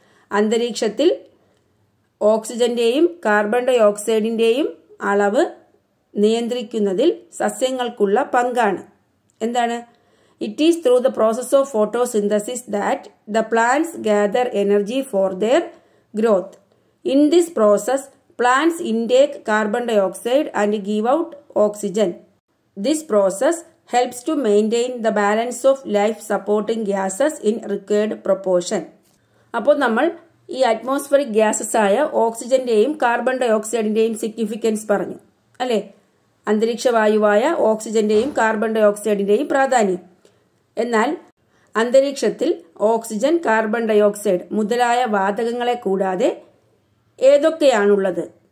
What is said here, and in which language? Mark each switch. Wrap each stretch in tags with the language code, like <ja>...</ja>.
<ml>അന്തരീക്ഷത്തിൽ ഓക്സിജന്റെയും കാർബൺ ഡയോക്സൈഡിന്റെയും അളവ് നിയന്ത്രിക്കുന്നതിൽ സസ്യങ്ങൾക്കുള്ള പങ്കാണ് എന്താണ്?</ml> <en>It is through the process of photosynthesis that the plants gather energy for their growth. In this process plants intake carbon dioxide and give out oxygen. This process helps to maintain the balance of life-supporting gases in required proportion.</en> <ml>അപ്പോൾ നമ്മൾ ഈ atmospheric gases ആയ ഓക്സിജന്റെയും carbon ഡയോക്സൈഡിന്റെയും significance പറഞ്ഞു അല്ലേ. അന്തരീക്ഷവായുവായ ഓക്സിജന്റെയും carbon ഡയോക്സൈഡിന്റെയും പ്രാധാന്യം. എന്നാൽ അന്തരീക്ഷത്തിൽ oxygen, carbon dioxide മുതലായ വാതകങ്ങളെ കൂടാതെ ഏതൊക്കെയാണുള്ളത്?</ml>